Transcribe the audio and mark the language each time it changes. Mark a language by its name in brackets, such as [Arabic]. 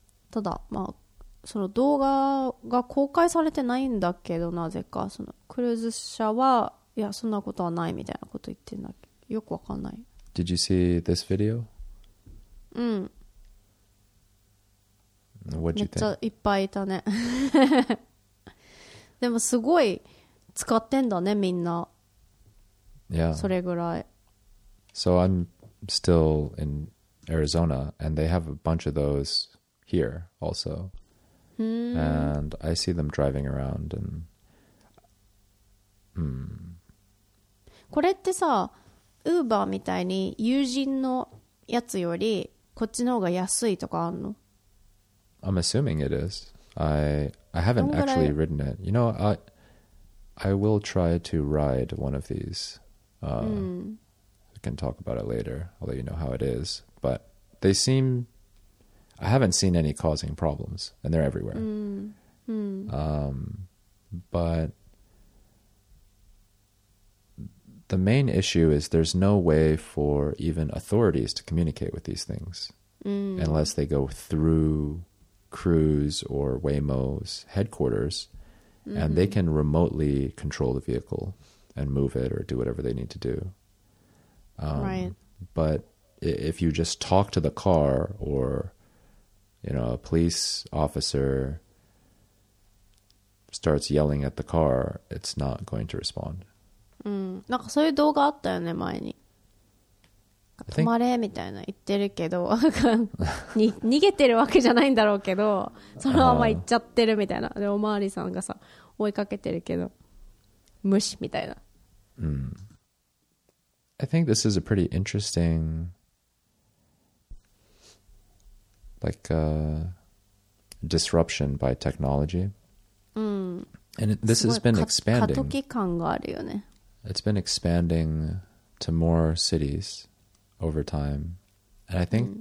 [Japanese] ただ、まあ、その動画が公開されてないんだけど、なぜかそのクルーズ社はいやそんなことはないみたいなこと言ってんだけど、よくわかんない。 [English] Did you see this video? [Japanese] うん。 [English] What'd you think? [Japanese] めっちゃいっぱいいたね。でもすごい使ってんだね、みんな。 [English] Yeah. [Japanese] それぐらい。 [English] So I'm still in Arizona, and they have a bunch of those here. here also. Hmm. And I see them driving around and... [Japanese] これってさ、Uber みたいに友人のやつよりこっちの方が安いとかあんの？ [English] I'm assuming it is. I haven't actually ridden it. You know, I will try to ride one of these. I can talk about it later. I'll let you know how it is. But they seem... I haven't seen any causing problems. And they're everywhere. But... The main issue is there's no way for even authorities to communicate with these things、 mm. unless they go through Cruise or Waymo's headquarters、mm-hmm. and they can remotely control the vehicle and move it or do whatever they need to do.、 right. But if you just talk to the car or, you know, a police officer starts yelling at the car, it's not going to respond. [Japanese] うん、なんかそういう動画あったよね前に止まれみたいな言ってるけど逃げてるわけじゃないんだろうけどそのまま行っちゃってるみたいな、でおまわりさんがさ追いかけてるけど無視みたいな、 [English] I think this is a pretty interesting like disruption by technology、 [Japanese] うん、 [English] and this has been expanding [Japanese] 過渡期感があるよね [English] It's been expanding to more cities over time. And I think、mm.